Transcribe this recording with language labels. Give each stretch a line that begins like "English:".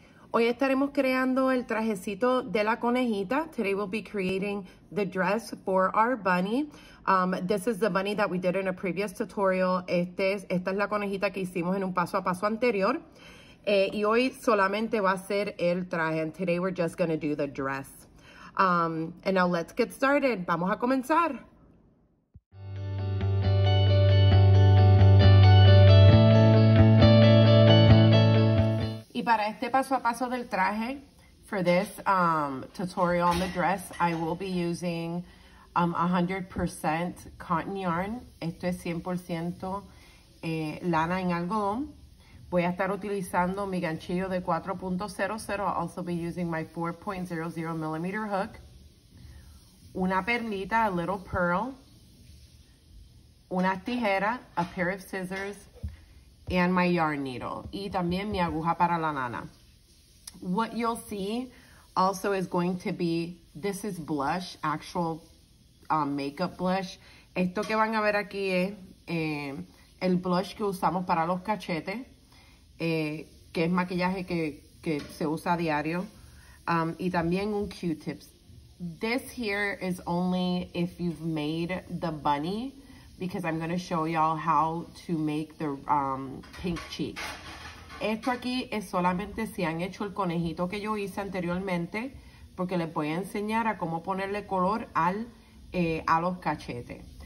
Spanish: Hoy estaremos creando el trajecito de la conejita.
English: Today we'll be creating the dress for our bunny. This is the bunny that we did in a previous tutorial.
Spanish: Esta es la conejita que hicimos en un paso a paso anterior. Y hoy solamente va a ser el traje.
English: And today we're just going to do the dress. And now let's get started.
Spanish: Vamos a comenzar. Y para este paso a paso del traje,
English: for this tutorial on the dress, I will be using 100% cotton yarn.
Spanish: Esto es 100% lana en algodón. Voy a estar utilizando mi ganchillo de 4.00.
English: I'll also be using my 4.00 millimeter hook.
Spanish: Una perlita,
English: a little pearl.
Spanish: Una tijera,
English: a pair of scissors. And my yarn needle.
Spanish: Y también mi aguja para la lana.
English: What you'll see also is going to be, this is blush, actual makeup blush.
Spanish: Esto que van a ver aquí es el blush que usamos para los cachetes, que es maquillaje que se usa a diario. Y también un Q-tips.
English: This here is only if you've made the bunny, because I'm gonna show y'all how to make the pink cheek.
Spanish: Esto aquí es solamente si han hecho el conejito que yo hice anteriormente, porque les voy a enseñar a cómo ponerle color a los cachetes.